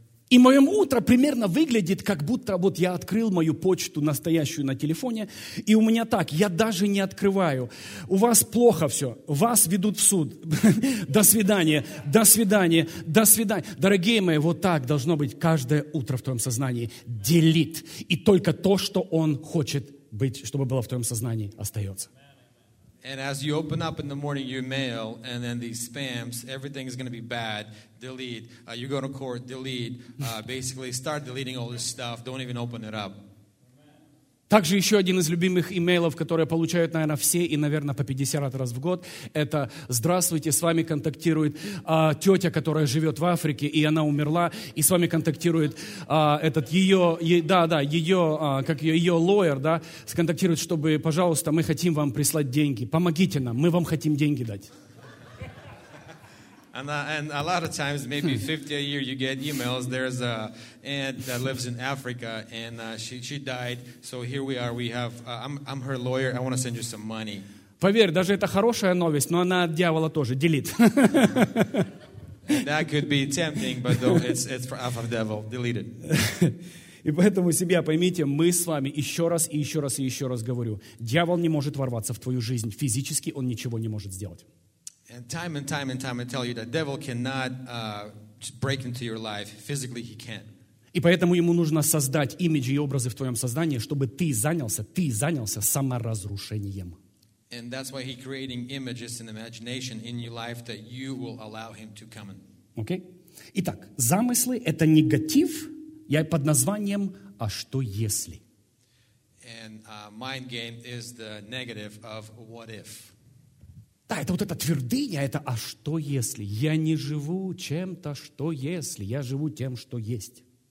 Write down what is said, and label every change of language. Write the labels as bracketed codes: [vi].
[ru] И мое утро примерно выглядит, как будто вот я открыл мою почту настоящую на телефоне, и у меня так, я даже не открываю. У вас плохо все, вас ведут в суд. До свидания, до свидания, до свидания. Дорогие мои, вот так должно быть каждое утро в твоем сознании. Делит. И только то, что он хочет быть, чтобы было в твоем сознании, остается. [en] And as you open up in the morning your mail, and then these spams, everything is going to be bad. Delete. You go to court. Delete. Basically, start deleting all this stuff. Don't even open it up. [ru] Также еще один из любимых имейлов, которые получают, наверное, все и, наверное, по 50 раз в год, это «Здравствуйте, с вами контактирует тетя, которая живет в Африке, и она умерла, и с вами контактирует этот ее, ее лоер, да, сконтактирует, чтобы, пожалуйста, мы хотим вам прислать деньги, помогите нам, мы вам хотим деньги дать». [en] And a lot of times, maybe 50 a year, you get emails. There's an aunt that lives in Africa, and she died. So here we are. We have I'm her lawyer. I want to send you some money. [ru] Поверь, даже это хорошая новость, но она от дьявола тоже делит. [en] That could be tempting, but though it's for the devil, delete it. [ru] И поэтому, себя, поймите, мы с вами еще раз и еще раз и еще раз говорю, дьявол не может ворваться в твою жизнь физически, он ничего не может сделать. [en] And time and time and time I tell you that devil cannot break into your life physically, he can't. [ru] И поэтому ему нужно создать имиджи и образы в твоем сознании, чтобы ты занялся саморазрушением. [en] And that's why he's creating images and imagination in your life that you will allow him to come in. Okay. [ru] Итак, замыслы — это негатив, я под названием «А что если?». [en] And mind game is the negative of what if. [ru] Да, это вот эта твердыня, это «а что если?» Я не живу чем-то, что если, я живу тем, что есть.